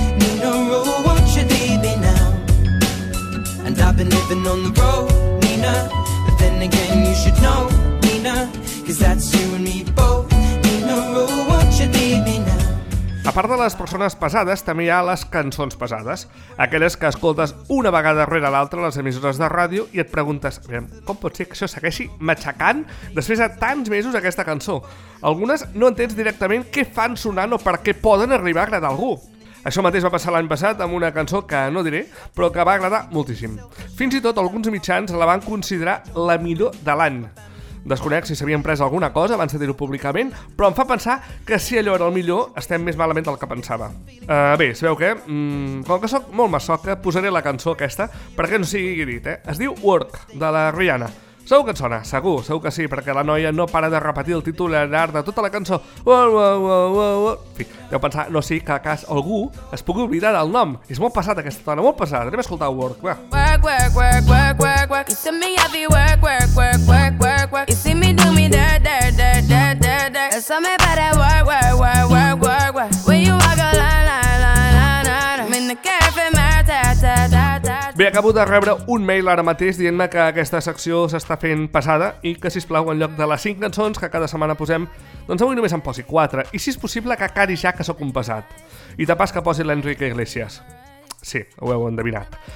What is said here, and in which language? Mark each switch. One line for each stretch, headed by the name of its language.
English: Nina, oh, won't you leave me now? And I've been living on the road, Nina. But then again, you should know, Nina, 'cause that's you and me both. Nina, oh, won't you leave me now?
Catalan: A part de les persones pesades, també hi ha les cançons pesades. Aquelles que escoltes una vegada rere l'altra les emissores de ràdio i et preguntes: com pot ser que això segueixi matxacant després de tants mesos aquesta cançó? Algunes no entens directament què fan sonant o per què poden arribar a agradar a algú. Això mateix va passar l'any passat amb una cançó que no diré, però que va agradar moltíssim. Fins i tot alguns mitjans la van considerar la millor de l'any. Desconec si s'havien pres alguna cosa abans de dir-ho públicament, però em fa pensar que si allò era el millor, estem més malament del que pensava. Bé, sabeu què? Com que sóc molt massoca, posaré la cançó aquesta perquè no sigui dit, eh? Es diu Work, de la Rihanna. Segur que et sona? Segur, segur que sí, perquè la noia no para de repetir el títol llarg de tota la cançó. Fi, deu pensar, no sigui que a cas algú es pugui oblidar del nom. És molt pesat aquesta dona, molt pesat. Anem a escoltar Work, va.
English: Work, work, work, work, work, work. You see me, I'll be work, work, work, work, work, work. You see me, do me, da, da, da, da, da, da. It's something about that work, work, work, work, work, work. When you walk a line, line, line, line, line. I'm in the cafe, my ta, ta, ta.
Catalan: Bé, acabo de rebre un mail ara mateix dient-me que aquesta secció s'està fent pesada i que, sisplau, en lloc de les 5 cançons que cada setmana posem, doncs avui només em posi 4, i si és possible que cari ja que sóc un pesat. I de pas que posi l'Enrique Iglesias. Sí, ho heu endevinat.